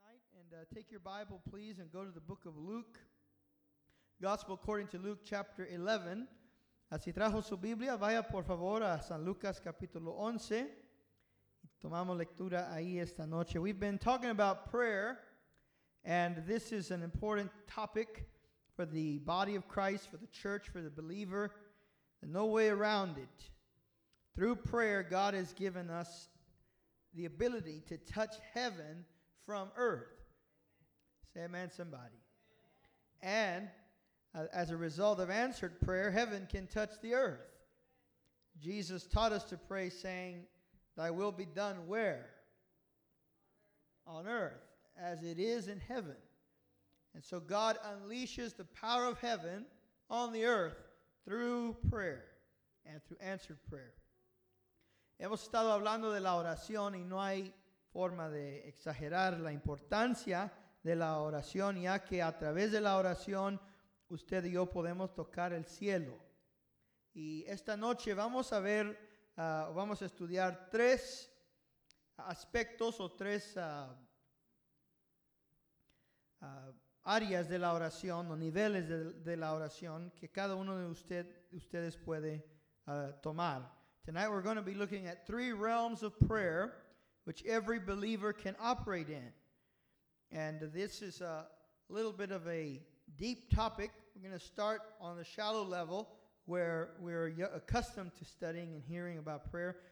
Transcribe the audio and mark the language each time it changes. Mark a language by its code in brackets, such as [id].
[en] And take your Bible, please, and go to the book of Luke, Gospel according to Luke, chapter 11. [es] Así trajo su Biblia, vaya por favor a San Lucas, capítulo 11. Tomamos lectura ahí esta noche. [en] We've been talking about prayer, and this is an important topic for the body of Christ, for the church, for the believer. There's no way around it. Through prayer, God has given us the ability to touch heaven from earth. Say amen, somebody. And as a result of answered prayer, heaven can touch the earth. Jesus taught us to pray saying, thy will be done where? On earth, as it is in heaven. And so God unleashes the power of heaven on the earth through prayer and through answered prayer. [es] Hemos estado hablando de la oración y no hay forma de exagerar la importancia de la oración, ya que a través de la oración usted y yo podemos tocar el cielo. Y esta noche vamos a ver, vamos a estudiar tres aspectos o tres áreas de la oración o niveles de la oración que cada uno de ustedes puede tomar. [en] Tonight we're going to be looking at three realms of prayer which every believer can operate in. And this is a little bit of a deep topic. We're going to start on the shallow level where we're accustomed to studying and hearing about prayer.